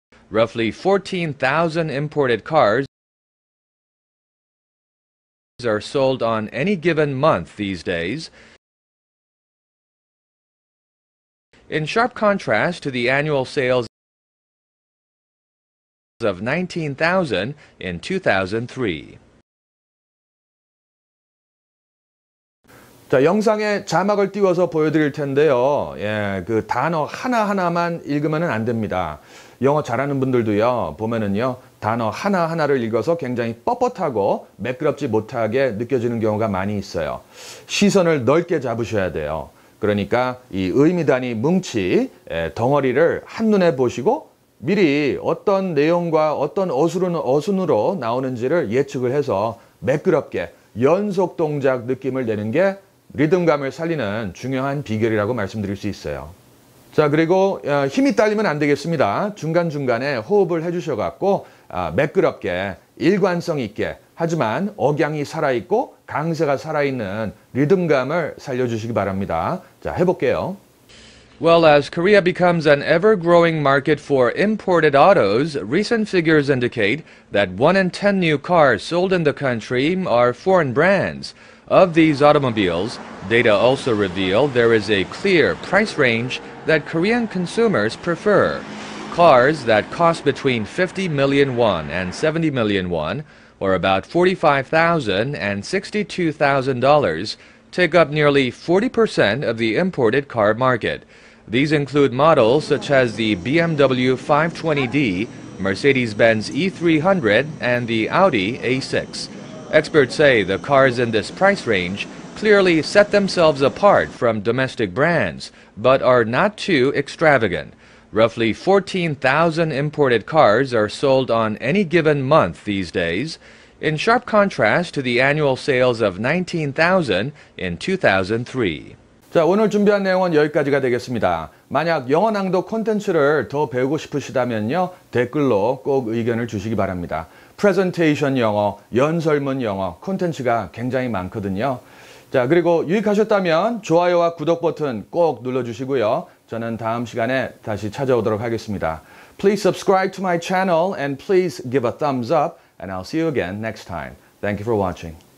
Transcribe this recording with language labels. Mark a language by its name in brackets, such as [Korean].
[English] Roughly 14,000 imported cars are sold on any given month these days. In sharp contrast to the annual sales of 19,000 in 2003. [Korean] 자, 영상에 자막을 띄워서 보여드릴 텐데요. 예, 그 단어 하나하나만 읽으면은 안 됩니다. 영어 잘하는 분들도요, 보면은요, 단어 하나하나를 읽어서 굉장히 뻣뻣하고 매끄럽지 못하게 느껴지는 경우가 많이 있어요. 시선을 넓게 잡으셔야 돼요. 그러니까 이 의미단위 뭉치, 덩어리를 한눈에 보시고 미리 어떤 내용과 어떤 어순으로 나오는지를 예측을 해서 매끄럽게 연속 동작 느낌을 내는 게 리듬감을 살리는 중요한 비결이라고 말씀드릴 수 있어요. 자, 그리고 힘이 딸리면 안 되겠습니다. 중간중간에 호흡을 해주셔갖고 매끄럽게 일관성 있게, 하지만 억양이 살아있고 강세가 살아있는 리듬감을 살려주시기 바랍니다. 자, 해볼게요. [English] Well, as Korea becomes an ever-growing market for imported autos, recent figures indicate that 1 in 10 new cars sold in the country are foreign brands. Of these automobiles, data also reveal there is a clear price range that Korean consumers prefer. Cars that cost between 50 million won and 70 million won, or about $45,000 and $62,000, take up nearly 40% of the imported car market. These include models such as the BMW 520D, Mercedes-Benz E300, and the Audi A6. Experts say the cars in this price range clearly set themselves apart from domestic brands, but are not too extravagant. Roughly 14,000 imported cars are sold on any given month these days, in sharp contrast to the annual sales of 19,000 in 2003. [Korean] 자, 오늘 준비한 내용은 여기까지가 되겠습니다. 만약 영어 낭독 콘텐츠를 더 배우고 싶으시다면요, 댓글로 꼭 의견을 주시기 바랍니다. 프레젠테이션 영어, 연설문 영어 콘텐츠가 굉장히 많거든요. 자, 그리고 유익하셨다면 좋아요와 구독 버튼 꼭 눌러주시고요. 저는 다음 시간에 다시 찾아오도록 하겠습니다. [English] Please subscribe to my channel and please give a thumbs up and I'll see you again next time. Thank you for watching.